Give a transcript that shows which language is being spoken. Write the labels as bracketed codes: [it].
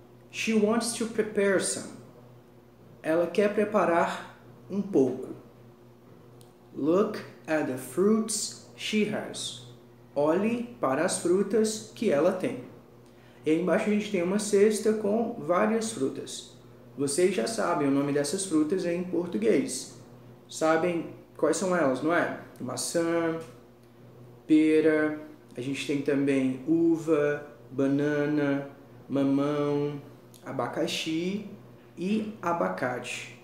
[en] She wants to prepare some. [pt] Ela quer preparar um pouco. [en] Look at the fruits she has. [pt] Olhe para as frutas que ela tem. E aí embaixo a gente tem uma cesta com várias frutas. Vocês já sabem o nome dessas frutas em português. Sabem quais são elas, não é? Maçã, pera, a gente tem também uva, banana, mamão, abacaxi e abacate.